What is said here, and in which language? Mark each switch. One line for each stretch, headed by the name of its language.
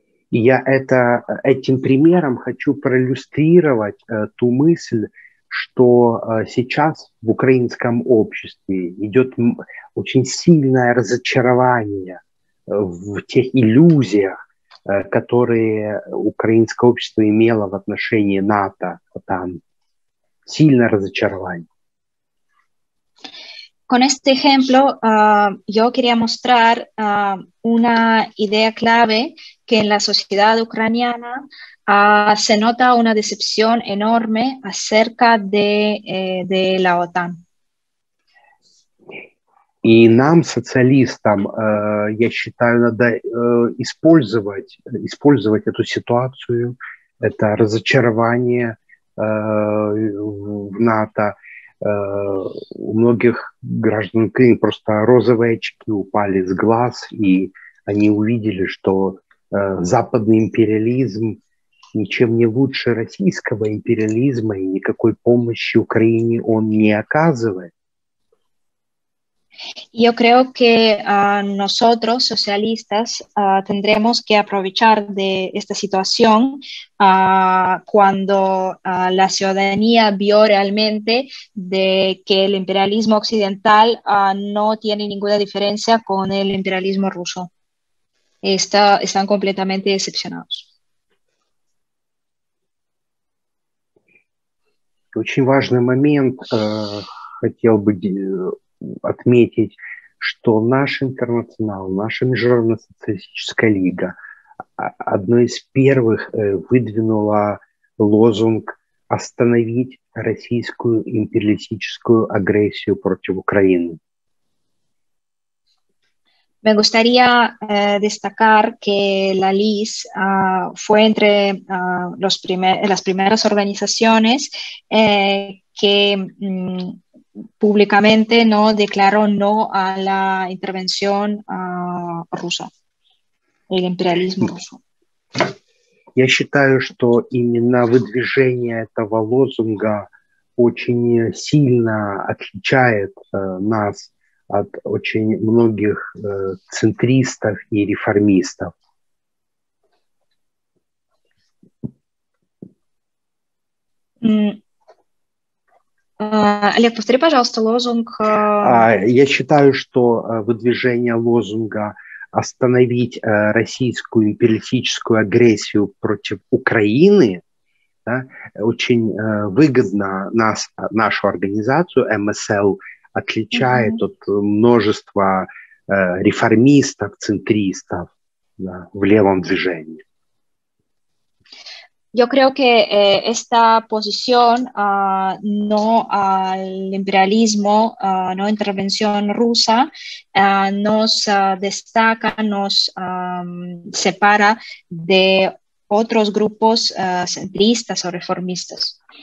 Russian: Я этим примером хочу проиллюстрировать ту мысль, что сейчас в украинском обществе идет очень сильное разочарование в тех иллюзиях, которые украинское общество имело в отношении НАТО, там сильно разочарование.
Spanish: Con este ejemplo, yo quería mostrar una idea clave que en la sociedad ucraniana se nota una decepción enorme acerca de la OTAN.
Russian: И нам, социалистам, я считаю, надо использовать эту ситуацию, это разочарование в НАТО. У многих граждан Украины просто розовые очки упали с глаз, и они увидели, что западный империализм ничем не лучше российского империализма, и никакой помощи Украине он не оказывает.
Spanish: Yo creo que nosotros, socialistas, tendremos que aprovechar de esta situación cuando la ciudadanía vio realmente de que el imperialismo occidental no tiene ninguna diferencia con el imperialismo ruso. Están completamente decepcionados.
Russian: Очень важный момент, хотел бы отметить, что наш интернационал, наша Международная социалистическая лига одной из первых выдвинула лозунг «Остановить российскую империалистическую агрессию против Украины».
Spanish: Me gustaría destacar que la LIS fue entre las primeras organizaciones que públicamente no declaró no a la intervención rusa, el imperialismo ruso.
Russian: Я считаю, что именно выдвижение этого лозунга очень сильно отличает нас от очень многих центристов и реформистов. Олег, повтори, пожалуйста, лозунг. Я считаю, что выдвижение лозунга «Остановить российскую империалистическую агрессию против Украины», да, очень выгодно нашу организацию МСЛ отличает mm-hmm. от множества реформистов, центристов, да, в левом движении.
Spanish: Yo creo que esta posición no al imperialismo, no intervención rusa, nos destaca, nos separa de otros grupos centristas o reformistas.